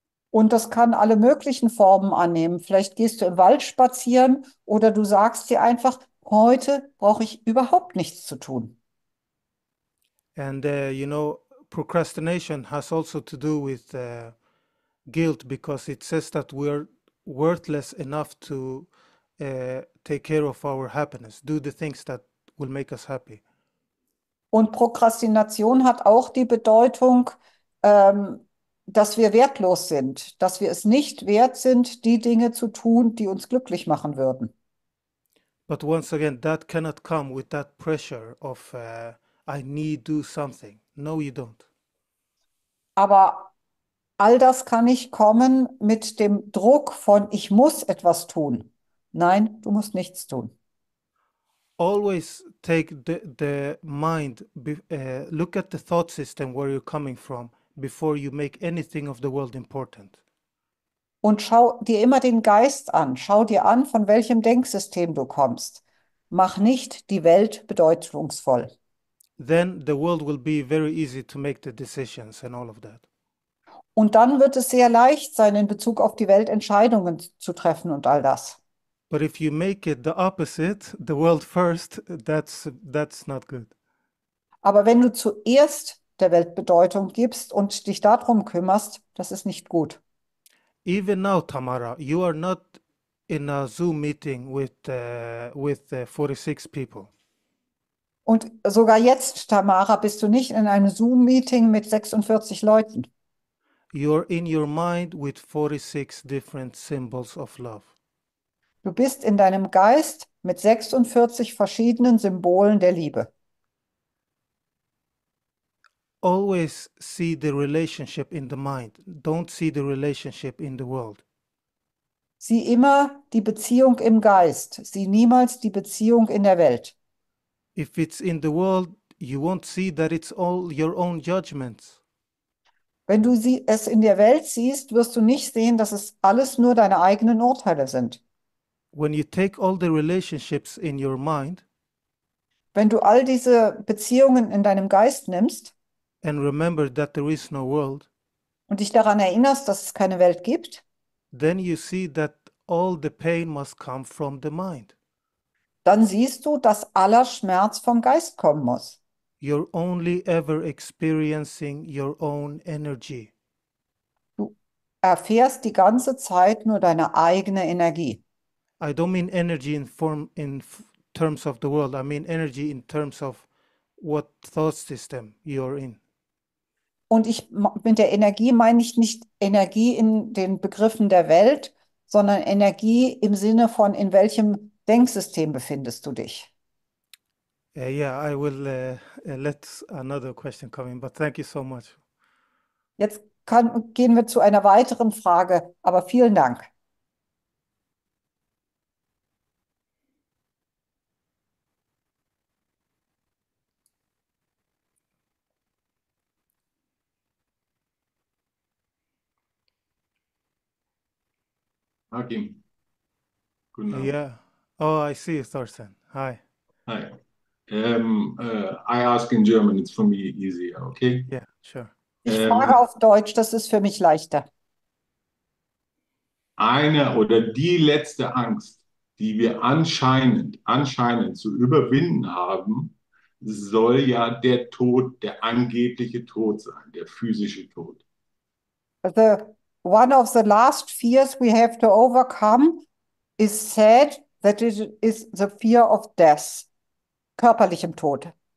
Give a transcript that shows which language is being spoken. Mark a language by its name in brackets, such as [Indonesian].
[German] Und das kann alle möglichen Formen annehmen. Vielleicht gehst du im Wald spazieren oder du sagst dir einfach, heute brauche ich überhaupt nichts zu tun. [English] And you know, procrastination has also to do with guilt, because it says that we're worthless enough to take care of our happiness, do the things that will make us happy. [German] Und Prokrastination hat auch die Bedeutung, dass wir wertlos sind, dass wir es nicht wert sind, die Dinge zu tun, die uns glücklich machen würden. [English] But once again, that cannot come with that pressure of I need do something. No, you don't. [German] Aber all das kann nicht kommen mit dem Druck von, ich muss etwas tun. Nein, du musst nichts tun. [English] Always take the mind, look at the thought system where you're coming from before you make anything of the world important. [German] Und schau dir immer den Geist an. Schau dir an, von welchem Denksystem du kommst. Mach nicht die Welt bedeutungsvoll. [English] Then the world will be very easy to make the decisions and all of that. [German] Und dann wird es sehr leicht sein, in Bezug auf die Welt Entscheidungen zu treffen und all das. [English] But if you make it the opposite, the world first, that's not good. [German] Aber wenn du zuerst der Welt Bedeutung gibst und dich darum kümmerst, das ist nicht gut. [English] Even now, Tamara, you are not in a Zoom meeting with 46 people. [German] Und sogar jetzt, Tamara, bist du nicht in einem Zoom-Meeting mit 46 Leuten. [English] You're in your mind with 46 different symbols of love. [German] Du bist in deinem Geist mit 46 verschiedenen Symbolen der Liebe. [English] Always see the relationship in the mind. Don't see the relationship in the world. [German] Sieh immer die Beziehung im Geist, sieh niemals die Beziehung in der Welt. [English] If it's in the world, you won't see that it's all your own judgments. [German] Wenn du sie es in der Welt siehst, wirst du nicht sehen, dass es alles nur deine eigenen Urteile sind. [English] When you take all the relationships in your mind [German] Wenn du all diese Beziehungen in deinem Geist nimmst [English] and remember that there is no world, [German] und dich daran erinnerst, dass es keine Welt gibt, [English] then you see that all the pain must come from the mind. [German] dann siehst du, dass aller Schmerz vom Geist kommen muss. [English] You're only ever experiencing your own energy. [German] Erfährst die ganze Zeit nur deine eigene Energie. [English] I don't mean energy in form in f terms of the world. I mean energy in terms of what thought system you're in. [German] Und ich mit der Energie meine ich nicht Energie in den Begriffen der Welt, sondern Energie im Sinne von, in welchem Denksystem befindest du dich? [English] Yeah, I will let another question come in, but thank you so much. [German] Jetzt gehen wir zu einer weiteren Frage, aber vielen Dank. Hakim, guten Abend. [English] Yeah. Oh, I see you, Thorsten. Hi. Hi. I ask in German, it's for me easier, okay? Yeah, sure. [German] Ich frage auf Deutsch, das ist für mich leichter. Eine oder die letzte Angst, die wir anscheinend zu überwinden haben, soll ja der Tod, der angebliche Tod sein, der physische Tod. [English] The one of the last fears we have to overcome is said that it is the fear of death, [German] körperlichem Tod.